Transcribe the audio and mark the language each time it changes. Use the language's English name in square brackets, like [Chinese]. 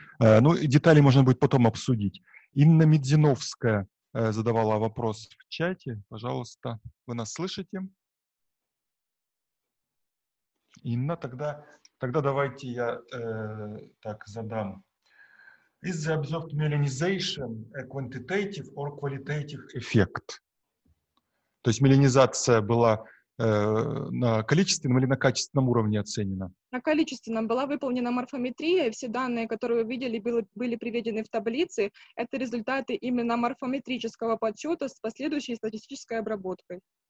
[Russian] Ну, детали можно будет потом обсудить. Инна Медзиновская задавала вопрос в чате. Пожалуйста, вы нас слышите? Инна, тогда давайте я так задам. [English] Is the observed melanization a quantitative or qualitative effect? [Russian] То есть меланизация была на количественном или на качественном уровне оценена? На количественном. Была выполнена морфометрия, и все данные, которые вы видели, были приведены в таблице. Это результаты именно морфометрического подсчета с последующей статистической обработкой.